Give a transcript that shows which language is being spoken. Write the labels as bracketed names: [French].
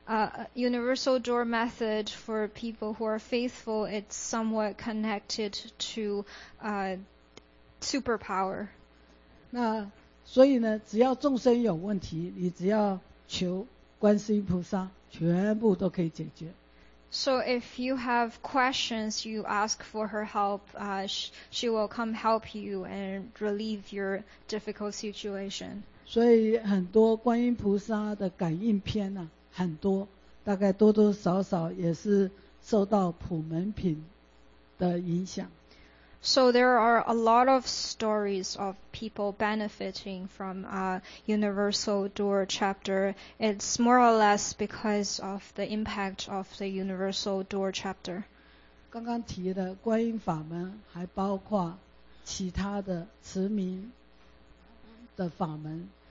[Chinese] 所以呢，普门品呢，在对观音信仰的人来讲啊，就造成一个有神通感应的连接哈。 [English] So the universal door method for people who are faithful, it's somewhat connected to superpower. [Chinese] 那所以呢，只要众生有问题，你只要求观世音菩萨，全部都可以解决。So [English] if you have questions, you ask for her help, she will come help you and relieve your difficult situation. [Chinese] 所以很多观音菩萨的感应篇呢，很多，大概多多少少也是受到普门品的影响。So [English] there are a lot of stories of people benefiting from Universal Door Chapter. It's more or less because of the impact of the Universal Door Chapter. [Chinese] 刚刚提的观音法门，还包括其他的慈铭的法门。